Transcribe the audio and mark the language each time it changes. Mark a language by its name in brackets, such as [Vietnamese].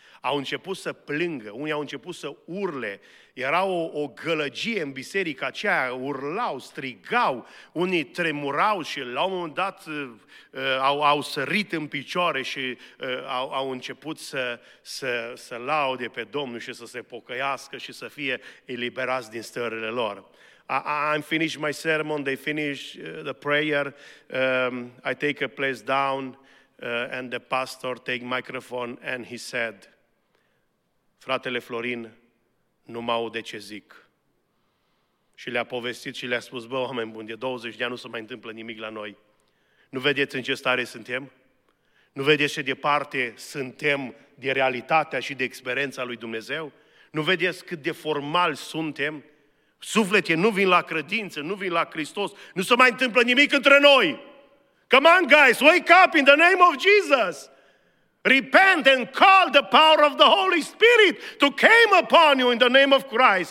[Romanian] Au început să plângă, unii au început să urle, era o gălăgie în biserica aceea, urlau, strigau, unii tremurau și la un moment dat au sărit în picioare și au început să laude pe Domnul și să se pocăiască și să fie eliberați din stările lor. [English] I'm finished my sermon, they finish the prayer, I take a place down and the pastor take microphone and he said, [Romanian] fratele Florin, nu mă aude ce zic. Și le-a povestit și le-a spus, bă, oameni buni, de 20 de ani nu se mai întâmplă nimic la noi. Nu vedeți în ce stare suntem? Nu vedeți ce departe suntem de realitatea și de experiența lui Dumnezeu? Nu vedeți cât de formal suntem? Suflete, nu vin la credință, nu vin la Hristos, nu se mai întâmplă nimic între noi. [English] Come on, guys, wake up in the name of Jesus! Repent and call the power of the Holy Spirit to come upon you in the name of Christ.